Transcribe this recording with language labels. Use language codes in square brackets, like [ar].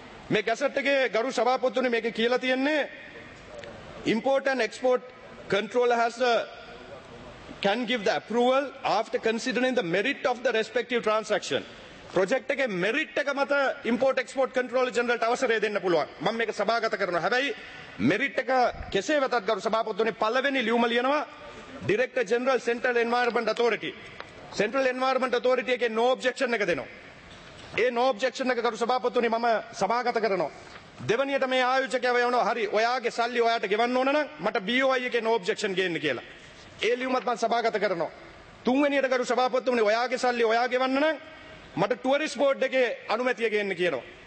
[si] මේ ගැසට් එකේ ගරු සභාපතිතුමනි මේක කියලා තියන්නේ [en] Import and export controller has the can give the approval after considering the merit of the respective transaction. [si] Project එකේ මෙරිට් එක මත ඉම්පෝර්ට් එක්ස්පෝර්ට් කන්ට්‍රෝලර් ජෙනරල්ට අවසරය දෙන්න පුළුවන්. මම මේක සභාගත කරනවා. හැබැයි මෙරිට් එක කෙසේ වෙතත් ගරු සභාපතිතුමනි පළවෙනි ලියුම ලියනවා director general central environment අතෝරිටි. Central Environment Authority එකේ no objection එක දෙනවා. ඒ no objection එක කරු සභාපතිතුමනි මම සභාගත කරනවා. දෙවැනියට මේ ආයෝජකයව යවනවා. හරි ඔයාගේ සල්ලි ඔයාට ගෙවන්න ඕන නම් මට BOI එකේ no objection ගේන්න කියලා. ඒ ලියුමත් මම සභාගත කරනවා. තුන්වැනියට කරු සභාපතිතුමනි ඔයාගේ සල්ලි ඔයා ගෙවන්න නම් මට Tourist Board එකේ අනුමැතිය ගේන්න කියනවා.